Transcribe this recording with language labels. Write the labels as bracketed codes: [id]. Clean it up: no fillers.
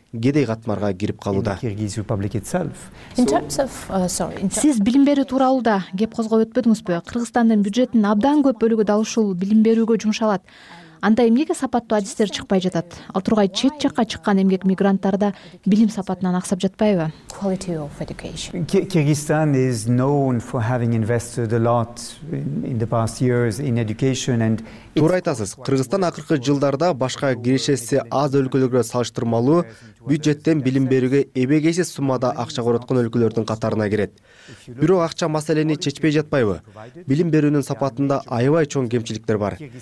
[ky] кедей катмарга кирип калууда. Сиз билим берүү тууралуу да кеп козгоп өтпөдүңүзбү? Кыргызстандын бюджетинин абдан көп бөлүгү дал ушул билим берүүгө жумшалат. Анда эмнеге сапаттуу адистер чыкпай жатат? Ал тургай чет жакка чыккан эмгек мигранттар да билим сапатынан аксап жатпайбы? [en] Kyrgyzstan is known for having invested a lot in the past years in education and [ky] туура айтасыз. Кыргызстан акыркы жылдарда башка кирешеси аз өлкөлөргө салыштырмалуу бюджеттен билим берүүгө эбегейсиз суммада акча коротконо өлкөлөрдүн катарына кирет. Бирок акча маселени чечпей жатпайбы? Билим берүүнүн сапатында аябай чоң кемчиликтер бар.